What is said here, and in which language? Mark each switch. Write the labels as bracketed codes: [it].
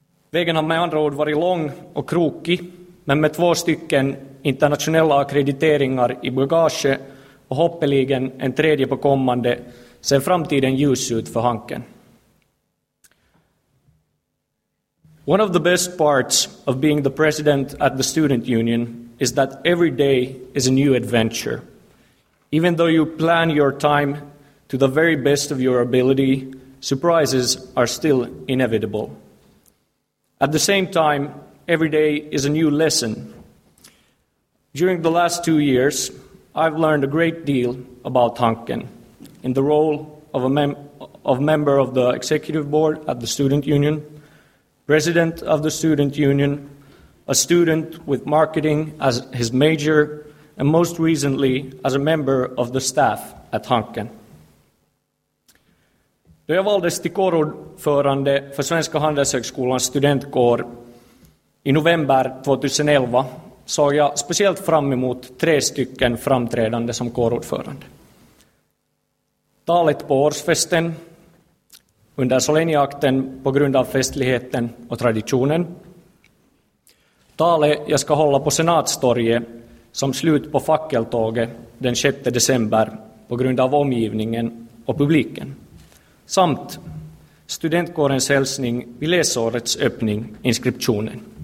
[sv] Vägen har med andra ord varit lång och krokig, men med två stycken internationella akkrediteringar i bagage och hoppeligen en tredje på kommande ser framtiden ljus ut för Hanken. [en] One of the best parts of being the president at the student union is that every day is a new adventure. Even though you plan your time to the very best of your ability, surprises are still inevitable. At the same time, every day is a new lesson. During the last 2 years, I've learned a great deal about Hanken in the role of a member of the executive board at the student union, president of the student union, a student with marketing as his major, and most recently as a member of the staff at Hanken. [sv] Då jag valdes till kårordförande för Svenska Handelshögskolans studentkår i november 2011 såg jag speciellt fram emot tre stycken framträdande som kårordförande. Talet på årsfesten, under solenniakten på grund av festligheten och traditionen, talet jag ska hålla på senatstorget som slut på fackeltåget den 6 december på grund av omgivningen och publiken, samt studentkårens hälsning vid läsårets öppning, inskriptionen.